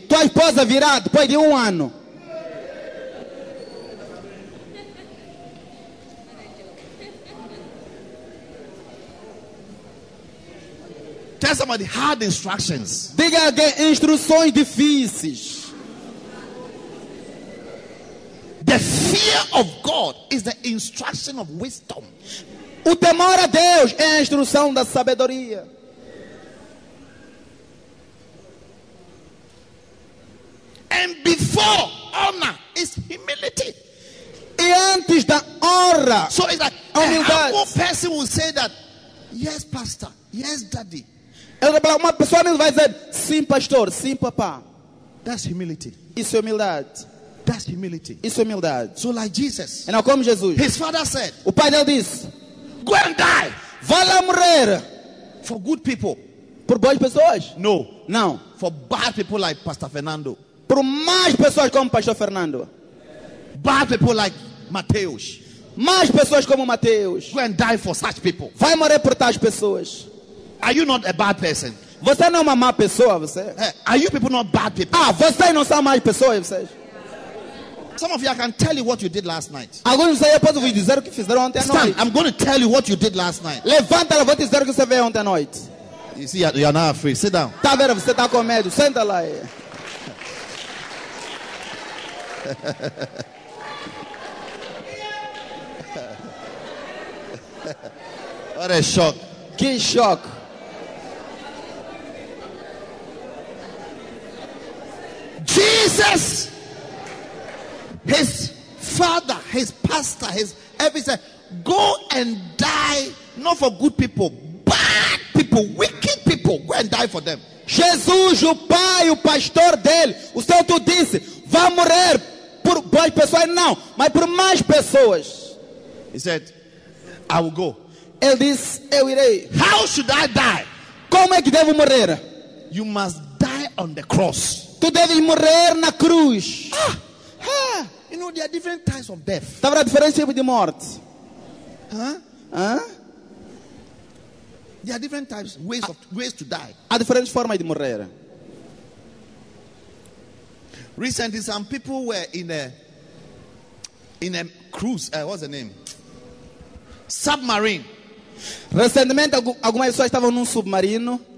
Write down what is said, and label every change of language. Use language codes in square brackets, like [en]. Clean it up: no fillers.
[pt] Tua esposa virá depois de 1 ano. [en] Tell somebody hard instructions. [pt] Diga alguém instruções difíceis. [en] The fear of God is the instruction of wisdom. [pt] O temor a Deus é a instrução da sabedoria. [en] And before honor is humility. [pt] E antes da honra. [en] So it's like humildade. A humble person will say that, yes, pastor, yes, daddy. [pt] Uma pessoa humilde vai dizer, sim, pastor, sim, papá. [en] That's humility. [pt] Isso é humildade. [en] That's humility. [pt] Isso é humildade. [en] So like Jesus. [pt] E não como Jesus. [en] His father said. [pt] O pai dele disse. [en] Go and die. [pt] Vá lá morrer. [en] For good people. [pt] Por boas pessoas? [en] No. [pt] Não. [en] For bad people like Pastor Fernando. [pt] Por más pessoas como Pastor Fernando. [en] Bad people like Mateus. [pt] Más pessoas como Mateus. [en] Go and die for such people. [pt] Vai morrer por tais pessoas. [en] Are you not a bad person? [pt] Você não é uma má pessoa, você? [en] Hey, are you people not bad people? [pt] Ah, você não são más pessoas, você? [en] Some of you, I can tell you what you did last night. I'm going to say, "Pastor, we deserve to fix that on the night." Stand. I'm going to tell you what you did last night. [pt] Levanta, vou dizer o que você fez ontem à noite. [en] You see, you're not afraid. Sit down. [pt] Tá vendo? Você tá com medo. Senta lá. [en] What a shock. [pt] Que shock. [en] Jesus, his father, his pastor, his everything, go and die, not for good people, bad people, wicked people, go and die for them. [pt] Jesus, o pai, o pastor dele, o santo disse, vá morrer por boas pessoas, não, mas por mais pessoas. [en] He said, I will go. [pt] Ele disse, eu irei. [en] How should I die? [pt] Como é que devo morrer? [en] You must die on the cross. [pt] Tu deves morrer na cruz. [en] Ah, you know, there are different types of death. [pt] Tá vendo a diferença de morte? [en] There are different types, ways to die. [pt] Há diferentes formas de morrer. [en] Recently, some people were in a cruise. What's the name? Submarine. [pt] Recentemente, algumas pessoas estavam num submarino.